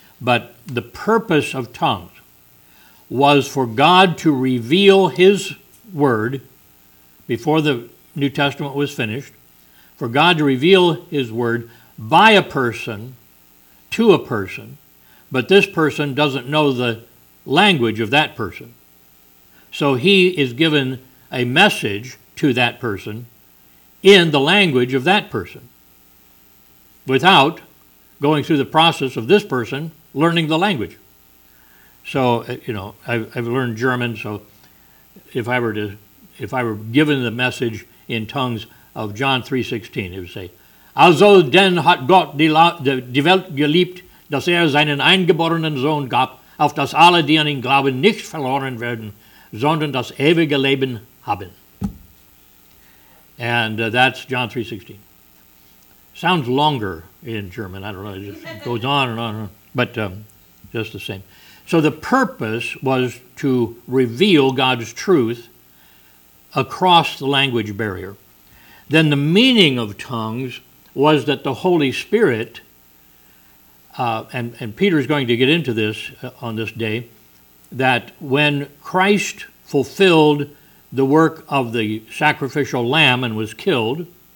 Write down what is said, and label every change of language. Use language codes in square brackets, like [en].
[en] But the purpose of tongues was for God to reveal his word before the New Testament was finished, for God to reveal his word by a person to a person, but this person doesn't know the language of that person. So he is given a message to that person in the language of that person without going through the process of this person learning the language. So, you know, I've learned German, so if I were given the message in tongues of John 3:16, it would say, [de] Also denn hat Gott die Welt geliebt, dass seinen eingeborenen Sohn gab, auf dass alle, die an ihn glauben, nicht verloren werden, sondern das ewige Leben haben. [en] And that's John 3:16. Sounds longer in German. I don't know. It just goes on and on and on. But just the same. So the purpose was to reveal God's truth across the language barrier. Then the meaning of tongues was that the Holy Spirit, and Peter's going to get into this on this day, that when Christ fulfilled the work of the sacrificial lamb and was killed,